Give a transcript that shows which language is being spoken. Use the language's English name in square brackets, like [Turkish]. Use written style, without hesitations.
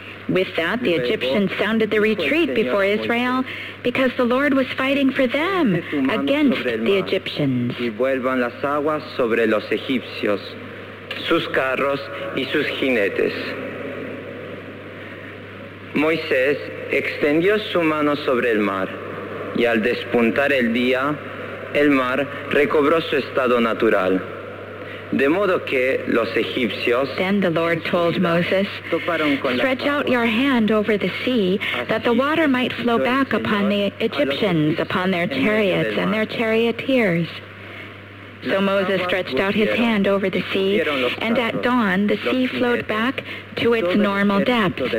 [English] With that, the Egyptians sounded the retreat before Israel, because the Lord was fighting for them against the Egyptians. [Spanish] Y vuelvan las aguas sobre los egipcios, sus carros y sus jinetes. Moisés extendió su mano sobre el mar, y al despuntar el día, el mar recobró su estado natural. De modo que los egipcios, [English] then the Lord told Moses, stretch out your hand over the sea, that the water might flow back upon the Egyptians, upon their chariots and their charioteers. So Moses stretched out his hand over the sea, and at dawn the sea flowed back to its normal depth.